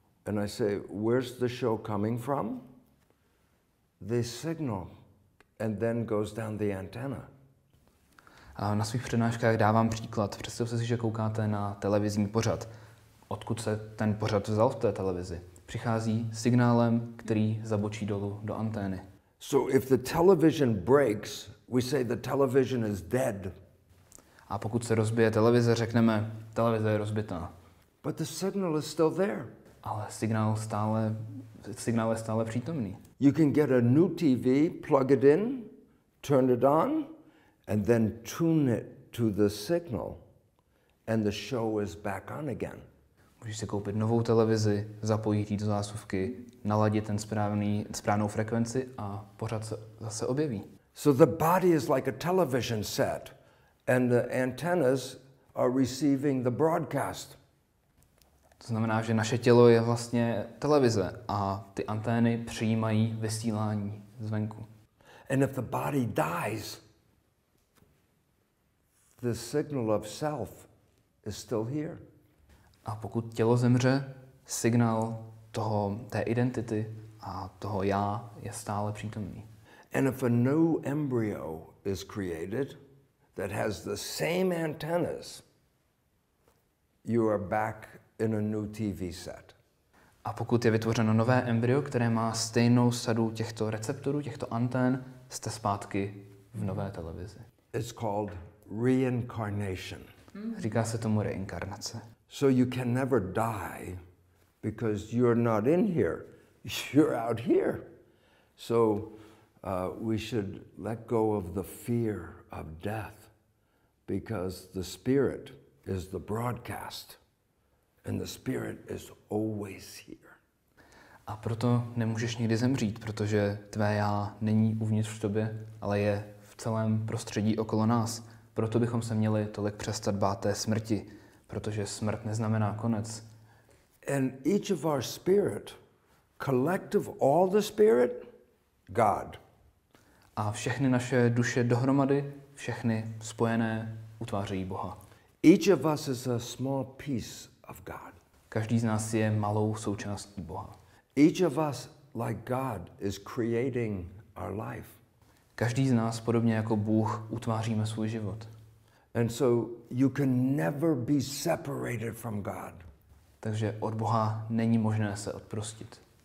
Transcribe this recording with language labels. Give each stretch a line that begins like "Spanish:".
English: And I say, where's the show coming from? They signal and then goes down the antenna.
Czech: Na svých přednáškách dávám příklad. Představte si, že koukáte na televizní pořad. Odkud se ten pořad vzal v té televizi? Přichází signálem, který zabočí dolů do antény.
English: So if the television breaks, we say the television is dead.
Czech: A pokud se rozbije televize, řekneme, televize je rozbitá.
English: But the signal is still there.
Czech: Ale signál je stále přítomný.
English: You can get a new TV, plug it in, turn it on, and then tune it to the signal, and the show is back on again.
Czech: Můžeš si koupit novou televizi, zapojit ty zásuvky, naladit ten správnou frekvenci a pořád se zase objeví.
English: So the body is like a television set, and the antennas are receiving the broadcast.
Czech: To znamená, že naše tělo je vlastně televize a ty antény přijímají vysílání zvenku.
English: And if the body dies, the signal of self is still here.
Czech: A pokud tělo zemře, signál toho té identity a toho já je stále přítomný.
English: And if a new embryo is created that has the same antennas, you are back in a new TV set.
Czech: A pokud je vytvořeno nové embryo, které má stejnou sadu těchto receptorů, těchto antén, jste zpátky v nové televizi.
English: It's called reincarnation.
Czech: Říká se tomu reinkarnace.
English: So you can never die because you're not in here, you're out here. So we should let go of the fear of death because the spirit is the broadcast and the spirit is always here.
Czech: A proto nemůžeš nikdy zemřít, protože tvé já není uvnitř v tobě, ale je v celém prostředí okolo nás. Proto bychom se měli tolik přestat bát té smrti, protože smrt neznamená konec.
English: And each of our spirit, collective all the spirit, God.
Czech: A všechny naše duše dohromady, všechny spojené, utvářejí Boha.
English: Each of us is a small piece of God.
Czech: Každý z nás je malou součástí Boha.
English: Each of us, like God, is creating our life.
Czech: Každý z nás, podobně jako Bůh, utváříme svůj život.
English: And so you can never be separated from God.
Czech: Takže od Boha není možné se odprostit.